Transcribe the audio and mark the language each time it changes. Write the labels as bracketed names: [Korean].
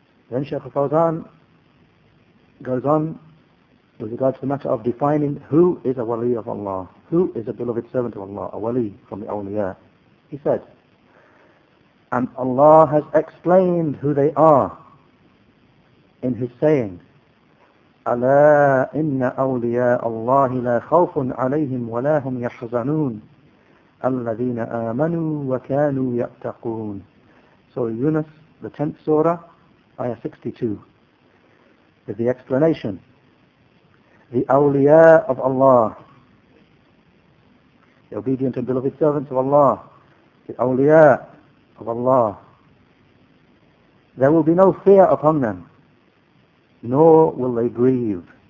[English] Then Shaykh al-Fawzan goes on with regard to the matter of defining who is a wali of Allah, who is a beloved servant of Allah, a wali from the awliya. He said, and Allah has explained who they are in his saying, [Arabic] أَلَا إِنَّ أَوْلِيَاءَ اللَّهِ لَا خَوْفٌ عَلَيْهِمْ وَلَا هُمْ يَحْزَنُونَ الَّذِينَ آمَنُوا وَكَانُوا يَأْتَقُونَ. [English] So Yunus, the 10th surah, ayah 62, is the explanation. The awliya of Allah, the obedient and beloved servants of Allah, the awliya of Allah, there will be no fear upon them, nor will they grieve.